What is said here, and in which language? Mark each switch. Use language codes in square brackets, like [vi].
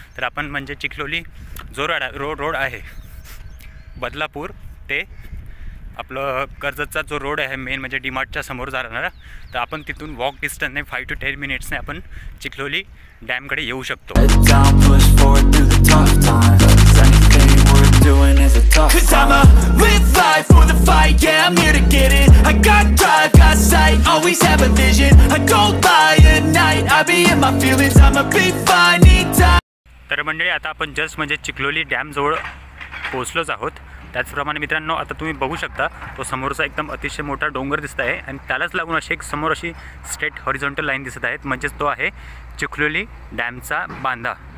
[mr] तर आपण म्हणजे चिखलोली जो रोड आहे बदलापूर ते आपलं कर्जतचा जो रोड आहे मेन म्हणजे डीमार्टच्या समोर जाणारा, तर आपण तिथून वॉक डिस्टन्सने 5 to 10 मिनिट्सने आपण चिखलोली डॅमकडे येऊ शकतो. [en] Down, doing is a tough cause song. I'ma live life for the fight, yeah, I'm here to get it. I got drive, got sight, always have a vision. I go by at night, I be in my feelings. I'ma be fine, need time. [mr] तर मंडळी आता आपण just म्हणजे चिखलोली डॅमजवळ पोहोचलोच आहोत. त्याचप्रमाणे मित्रांनो आता तुम्ही बघू शकता तो समोरचा एकदम अतिशय मोठा डोंगर दिसत आहे आणि त्यालाच लागून अशी एक समोर अशी स्ट्रेट हॉरिझॉन्टल लाईन दिसत आहेत म्हणजेच तो आहे चिखलोली डॅमचा बांधा.